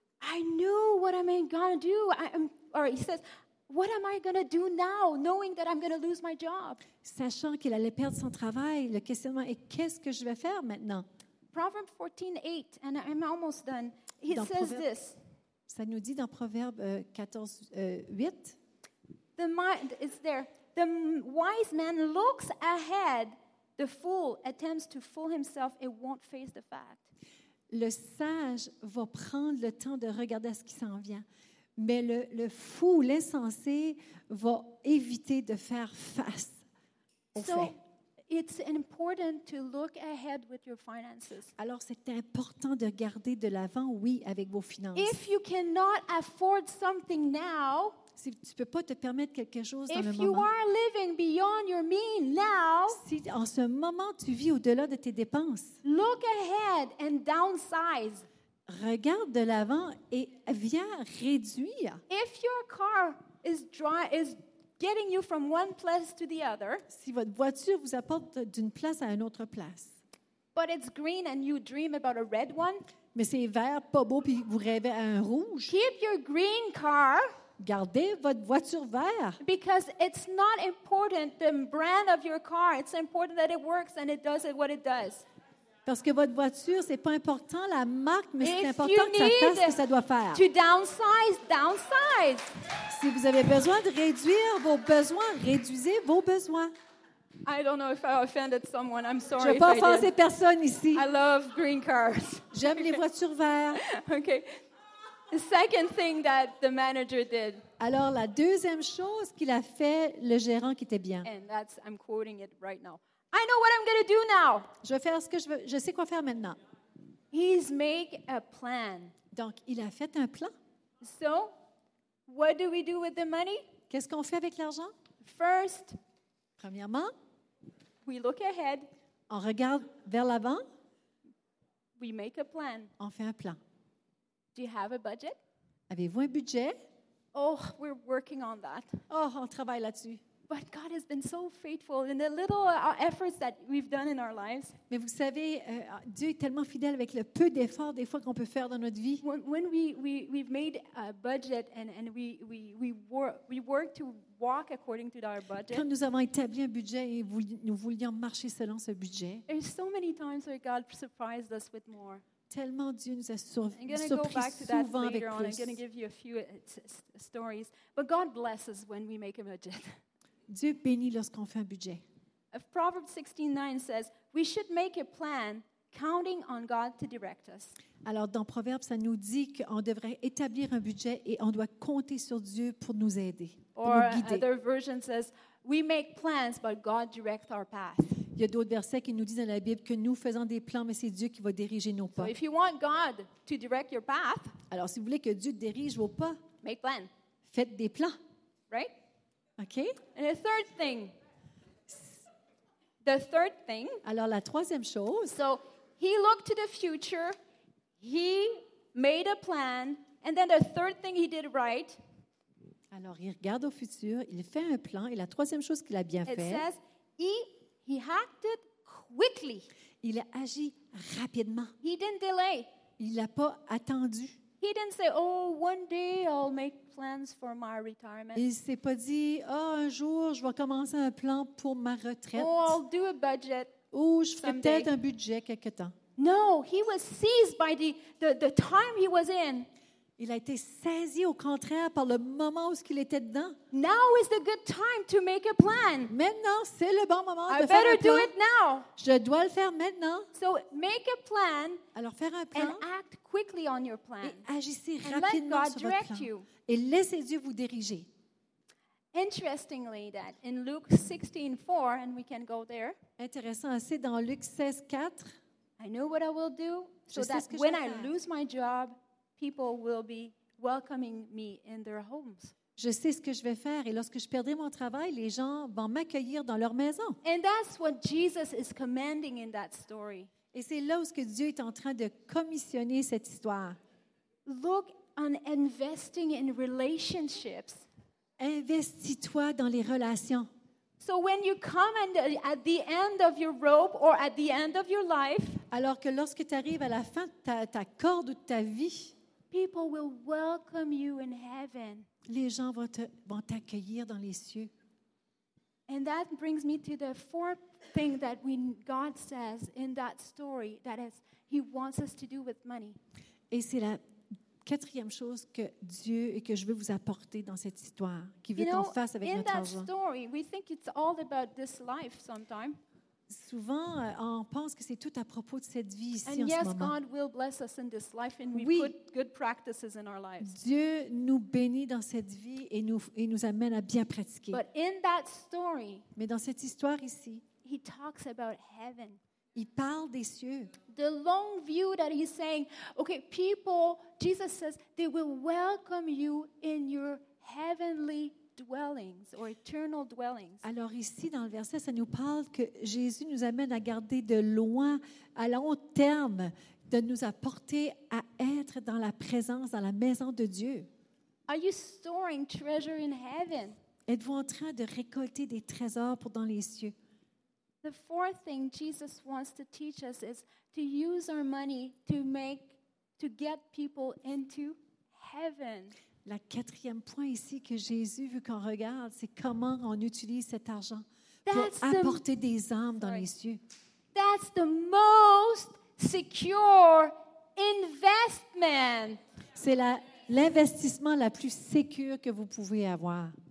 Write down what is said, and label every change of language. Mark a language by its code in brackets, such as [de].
[en] I know what am I going to do. He says, what am I going to do now, knowing that I'm going to lose my job. [fr] Sachant qu'il allait perdre son travail, le questionnement est qu'est-ce que je vais faire maintenant? [en] Proverbs 14:8, and I'm almost done. He dans says Proverbe, this. [fr] Ça nous dit dans Proverbes 14:8. [en] The mind is there. The wise man looks ahead. The fool attempts to fool himself and won't face the fact. [fr] Le sage va prendre le temps de regarder ce qui s'en vient, mais le fou, l'insensé, va éviter de faire face au fait. [en] So, it's important to look ahead with your finances. [fr] Alors, c'est important de regarder de l'avant, oui, avec vos finances. [en] If you cannot afford something now. [fr] Si tu ne peux pas te permettre quelque chose dans [en] if [fr] le moment. [en] You are living beyond your means now, [fr] si en ce moment, tu vis au-delà de tes dépenses, [en] look ahead and downsize. [fr] Regarde de l'avant et viens réduire. [en] If your car is getting you from one place to the other, [fr] si votre voiture vous apporte d'une place à une autre place, [en] but it's green and you dream about a red one, [fr] mais c'est vert, pas beau, puis vous rêvez à un rouge, [en] keep your green car. [fr] Gardez votre voiture verte. [en] Because it's not important the brand of your car. It's important that it works and it does what it does. [fr] Parce que votre voiture, c'est pas important la marque, mais [en] if [fr] c'est important que ça fasse ce que ça doit faire. [en] To downsize, downsize. [fr] Si vous avez besoin de réduire vos besoins, réduisez vos besoins. [en] I don't know if I offended someone. I'm sorry. [fr] Je ne vais pas offenser personne ici. [en] I love green cars. [fr] J'aime les voitures vertes. [en] Okay. The second thing that the manager did. [fr] Alors la deuxième chose qu'il a fait le gérant qui était bien. [en] And that's I'm quoting it right now. I know what I'm going to do now. [fr] Je vais faire ce que je veux. Je sais quoi faire maintenant. [en] He's make a plan. [fr] Donc il a fait un plan. [en] So, what do we do with the money? [fr] Qu'est-ce qu'on fait avec l'argent? [en] First. [fr] Premièrement. [en] We look ahead. [fr] On regarde vers l'avant. [en] We make a plan. [fr] On fait un plan. [en] Do you have a budget? [fr] Avez-vous un budget? [en] Oh, we're working on that. [fr] Oh, on travaille là-dessus. [en] But God has been so faithful in the little efforts that we've done in our lives. [fr] Mais vous savez, Dieu est tellement fidèle avec le peu d'efforts des fois qu'on peut faire dans notre vie. [en] When we've made a budget and we work to walk according to our budget. [fr] Quand nous avons établi un budget et nous voulions marcher selon ce budget. [en] There's so many times where God surprised us with more. [fr] Tellement Dieu nous a surpris souvent avec plus. [en] I'm going to give you a few stories, but God blesses when we make a budget. [fr] Dieu bénit lorsqu'on fait un budget. [en] Proverbs 16:9 says, "We should make a plan, counting on God to direct us." [fr] Alors dans Proverbe, ça nous dit qu'on devrait établir un budget et on doit compter sur Dieu pour nous aider, pour nous guider. [en] Or another version says, "We make plans, but God directs our path." [fr] Il y a d'autres versets qui nous disent dans la Bible que nous faisons des plans, mais c'est Dieu qui va diriger nos pas. [en] So if you want God to direct your path, [fr] alors si vous voulez que Dieu dirige vos pas, [en] make plans. [fr] Faites des plans. [en] Right? Okay. And the third thing. The third thing. [fr] Alors la troisième chose. [en] So he looked to the future. He made a plan, and then the third thing he did right. [fr] Alors il regarde au futur, il fait un plan, et la troisième chose qu'il a bien fait. [en] It says he acted quickly. [fr] Il a agi rapidement. [en] He didn't delay. [fr] Il n'a pas attendu. [en] He didn't say, "Oh, one day I'll make plans for my retirement." [fr] Il s'est pas dit, "Oh, un jour je vais commencer un plan pour ma retraite." [en] Oh, I'll do a budget. [fr] Ou je ferai peut-être un budget quelque temps. [en] No, he was seized by the time he was in. [fr] Il a été saisi au contraire par le moment où ce qu'il était dedans. [en] Now is the good time to make a plan. [fr] Maintenant, c'est le bon moment [en] I [fr] de faire un [en] plan. I better do it now. [fr] Je dois le faire maintenant. [en] So make a plan. [fr] Alors faire un plan. [en] And act quickly on your plan. [fr] Et agissez rapidement [en] and let God [fr] sur votre [en] direct [fr] plan. [en] You. [fr] Et laissez Dieu vous diriger. [en] Interestingly that in Luke 16:4 and we can go there. [fr] Intéressant assez dans Luc 16:4. [en] I know what I will do so that when I lose my job, people will be welcoming me in their homes. [fr] Je sais ce que je vais faire et lorsque je perdrai mon travail, les gens vont m'accueillir dans leur maison. [en] And that's what Jesus is commanding in that story. [fr] Et c'est là où ce que Dieu est en train de commissionner cette histoire. [en] Look on investing in relationships. [fr] Investis-toi dans les relations. [en] So when you come and at the end of your rope or at the end of your life, [fr] alors que lorsque tu arrives à la fin de ta corde ou de ta vie, [en] people will welcome you in heaven. [fr] Les gens vont t'accueillir dans les cieux. [en] And that brings me to the fourth thing that God says in that story that is he wants us to do with money. [fr] Et c'est la quatrième chose que Dieu et que je veux vous apporter dans cette histoire, qui veut qu'on fasse avec notre argent. [en] In that story, we think it's all about this life sometimes. [fr] Souvent, on pense que c'est tout à propos de cette vie ici [en] and [fr] en [en] yes, [fr] ce moment. [en] God will bless us in this life and we put good practices in our lives. [fr] Dieu nous bénit dans cette vie et nous amène à bien pratiquer. [en] But in that story, [fr] mais dans cette histoire ici, [en] he talks about heaven. [fr] Il parle des cieux. [en] The long view that he's saying, okay, people, Jesus says, they will welcome you in your heavenly dwellings or eternal dwellings. [fr] Alors ici, dans le verset, ça nous parle que Jésus nous amène à garder de loin, à long terme, de nous apporter à être dans la présence, dans la maison de Dieu. [en] Are you storing treasure in heaven? [fr] Êtes-vous en train de récolter des trésors pour dans les cieux? [en] The fourth thing Jesus wants to teach us is to use our money to get people into heaven. [fr] La quatrième point ici que Jésus veut qu'on regarde, c'est comment on utilise cet argent pour apporter des âmes dans les cieux. [en] That's the most secure investment. [fr] C'est l'investissement la plus sécure que vous pouvez avoir.